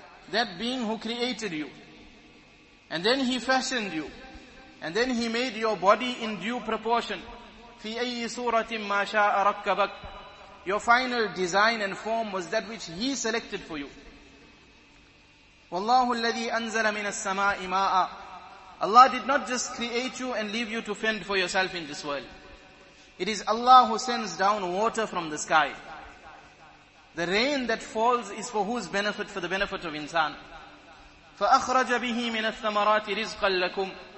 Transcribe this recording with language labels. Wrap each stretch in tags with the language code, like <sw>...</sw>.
<en>That being who created you, and then He fashioned you, and then He made your body in due proportion.</en> <ar>في أي صورة ما شاء ركبك.</ar> <en>Your final design and form was that which He selected for you.</en> <ar>والله الذي أنزل من السماء ماء.</ar> <en>Allah did not just create you and leave you to fend for yourself in this world. It is Allah who sends down water from the sky. The rain that falls is for whose benefit? For the benefit of insan.</en> <ar>فَأَخْرَجَ بِهِ مِنَ الثَّمَرَاتِ رِزْقًا لَكُمْ.</ar>